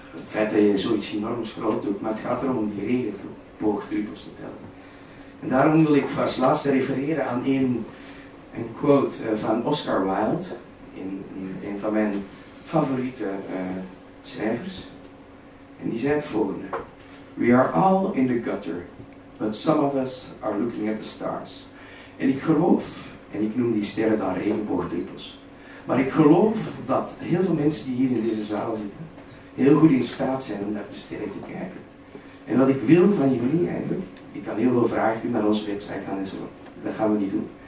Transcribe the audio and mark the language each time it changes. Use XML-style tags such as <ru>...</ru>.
<nl>Het feit dat je zoiets enorms groot doet, maar het gaat erom die regenboogdruppels te tellen. En daarom wil ik als laatste refereren aan een quote van Oscar Wilde, een van mijn favoriete schrijvers. En die zei het volgende.</nl> <en>We are all in the gutter, but some of us are looking at the stars.</en> <nl>En ik geloof, en ik noem die sterren dan regenboogdruppels, maar ik geloof dat heel veel mensen die hier in deze zaal zitten, heel goed in staat zijn om naar de sterren te kijken. En wat ik wil van jullie eigenlijk, ik kan heel veel vragen doen naar onze website gaan en zo, dat gaan we niet doen.</nl>